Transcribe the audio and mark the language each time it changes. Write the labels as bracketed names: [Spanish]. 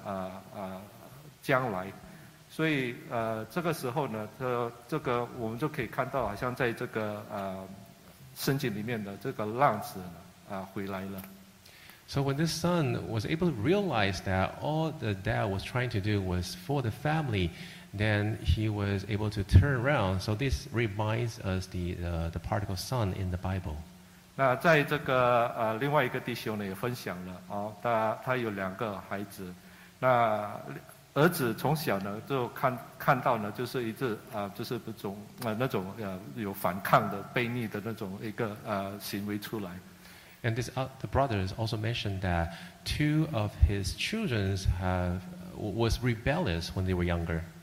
[Chinese] 那当这个儿子能够回心转意，能够看到他爸爸原来那么辛苦，原来是为了这个家庭，也为了他的这个将来。所以这个时候呢，这个我们就可以看到，好像在这个圣经里面的这个浪子回来了。 [English] So when this son was able to realize that all the dad was trying to do was for the family, then he was able to turn around. So this reminds us the prodigal son in the Bible. [Chinese] 那在这个另外一个弟兄呢也分享了，他有两个孩子，那。儿子从小呢，就看到呢，就是一种有反抗的、悖逆的那种一个行为出来。 [English] And this the brothers also mentioned that two of his children was rebellious when they were younger.